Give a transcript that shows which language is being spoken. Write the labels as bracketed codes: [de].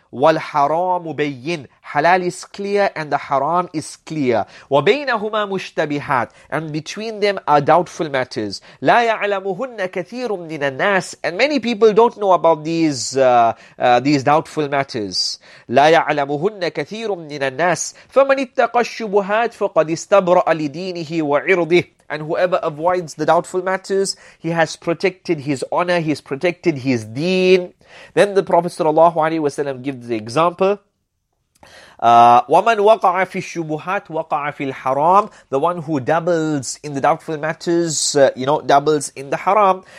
[ar] والحرام بين. [en] Halal is clear and the haram is clear. [ar] وبينهما مشتبهات. [en] And between them are doubtful matters. [ar] لا يعلمهن كثير من الناس. [en] And many people don't know about these doubtful matters. [ar] لا يعلمهن كثير من الناس. فمن اتقى الشبهات فقد استبرأ لدينه وعرضه. [en] And whoever avoids the doubtful matters, he has protected his honor, he has protected his deen. Then the Prophet sallallahu alaihi wasallam gives the example. [ar] وَمَنْ وَقَعَ فِي الشُّبُهَاتِ وَقَعَ فِي الْحَرَامِ. [en] The one who doubles in the doubtful matters, doubles in the haram.